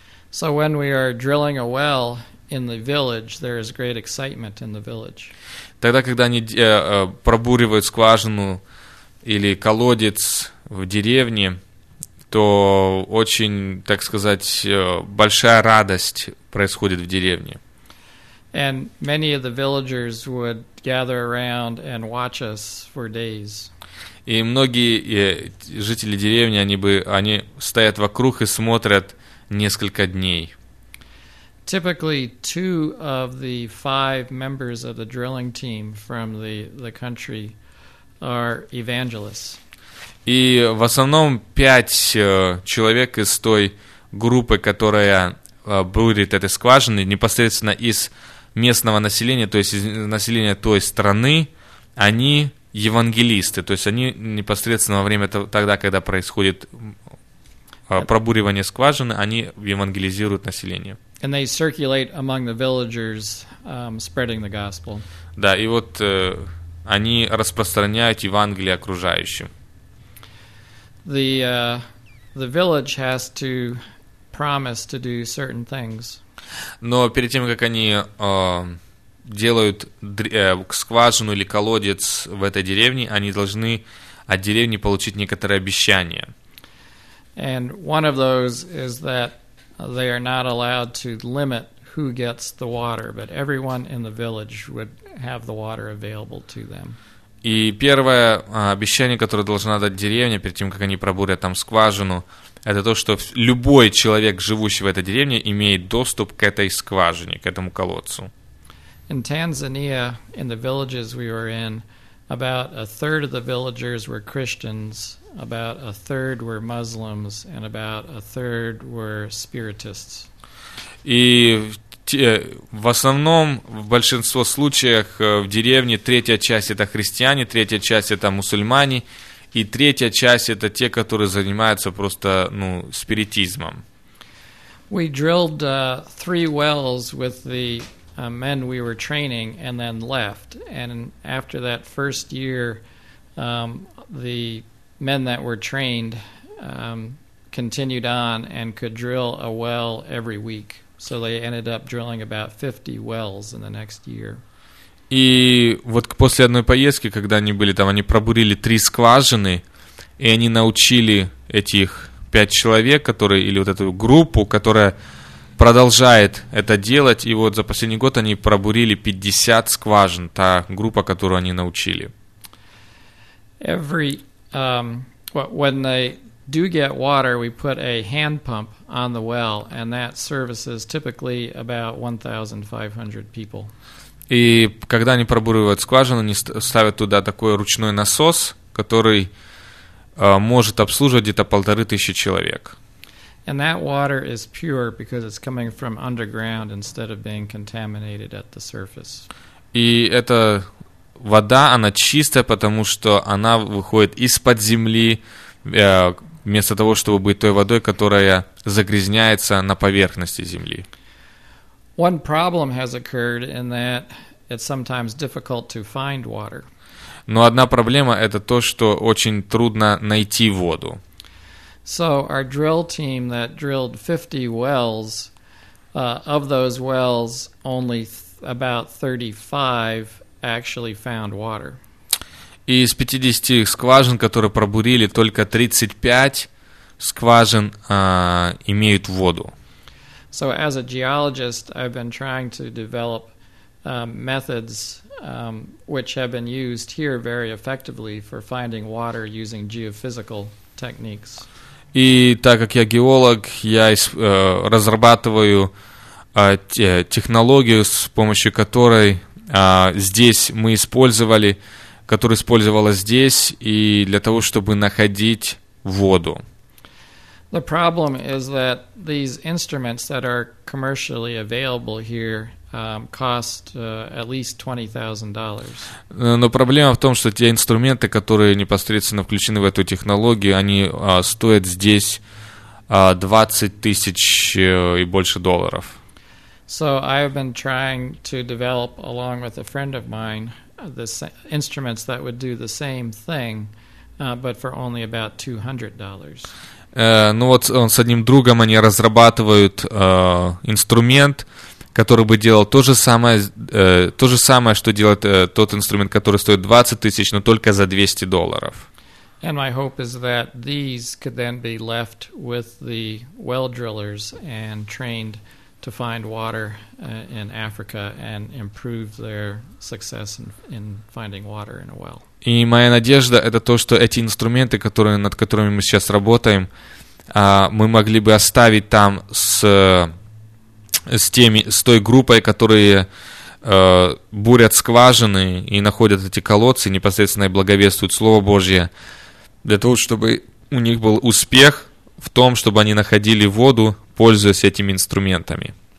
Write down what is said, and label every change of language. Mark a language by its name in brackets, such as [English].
[English] So when we are drilling a well in the village, there is great excitement in the village. [Russian] Тогда, когда они пробуривают скважину или колодец в деревне, то очень, так сказать, большая радость происходит в деревне. [English] And many of the villagers would gather around and watch us for days. [Russian] И многие жители деревни, они стоят вокруг и смотрят несколько дней. [English] Typically, 2 of the 5 members of the drilling team from the country are evangelists. [Russian] И в основном 5 человек из той группы, которая бурит этой скважины, непосредственно из местного населения, то есть из населения той страны, они евангелисты, то есть они непосредственно во время тогда, когда происходит пробуривание скважины, они евангелизируют население. [English] And they circulate among the villagers, spreading the gospel. [Russian] Да, и вот они распространяют Евангелие окружающим. [English] The village has to promise to do certain things. [Russian] Но перед тем, как они делают скважину или колодец в этой деревне, они должны от деревни получить некоторые обещания. [English] And one of those is that they are not allowed to limit who gets the water, but everyone in the village would have the water available to them. [Russian] И первое обещание, которое должна дать деревня перед тем, как они пробурят там скважину, это то, что любой человек, живущий в этой деревне, имеет доступ к этой скважине, к этому колодцу. [English] In Tanzania, in the villages we were in, about 1/3 of the villagers were Christians, about 1/3 were Muslims, and about 1/3 were spiritists. [Russian] И в основном, в большинстве случаев в деревне 1/3 это христиане, 1/3 это мусульмане, и 1/3 это те, которые занимаются просто, ну, спиритизмом. [English] We drilled 3 wells with the men we were training and then left. And after that first year, the men that were trained continued on and could drill a well every week. So they ended up drilling about 50 wells in the next year. [Russian] И вот после одной поездки, когда они были там, они пробурили 3 скважины, и они научили этих 5 человек, которые, или вот эту группу, которая продолжает это делать, и вот за последний год они пробурили 50 скважин, та группа, которую они научили. [English] Every, when they do get water, we put a hand pump on the well, and that services typically about 1,500 people. [Russian] И когда они пробуривают скважину, они ставят туда такой ручной насос, который может обслуживать где-то 1,500 человек. [English] And that water is pure because it's coming from underground instead of being contaminated at the surface. [Russian] И эта вода, она чистая, потому что она выходит из-под земли, вместо того, чтобы быть той водой, которая загрязняется на поверхности земли. [English] One problem has occurred in that it's sometimes difficult to find water. [Russian] Но одна проблема — это то, что очень трудно найти воду. [English] So our drill team that drilled 50 wells, of those wells, only about 35 actually found water. [Russian] Из 50 скважин, которые пробурили, только 35 скважин имеют воду. [English] So as a geologist, I've been trying to develop methods which have been used here very effectively for finding water using geophysical techniques. [Russian] И так как я геолог, я разрабатываю технологию, с помощью которой здесь мы использовали, которая использовалась здесь, и для того, чтобы находить воду. [English] The problem is that these instruments that are commercially available here cost at least $20,000. [Russian] Но проблема в том, что те инструменты, которые непосредственно включены в эту технологию, они стоят здесь 20 тысяч и больше долларов. [English] So I have been trying to develop, along with a friend of mine, the instruments that would do the same thing, but for only about $200. [Russian] Ну вот он с одним другом, они разрабатывают инструмент, который бы делал то же самое, что делает тот инструмент, который стоит 20 тысяч, но только за $200. [English] And my hope is that these could then be left with the well drillers and trained to find water in Africa and improve their success in finding water in a well. [Russian] И моя надежда — это то, что эти инструменты, которые, над которыми мы сейчас работаем, мы могли бы оставить там с той группой, которые бурят скважины и находят эти колодцы, непосредственно и благовествуют Слово Божье, для того, чтобы у них был успех в том, чтобы они находили воду, пользуясь этими инструментами.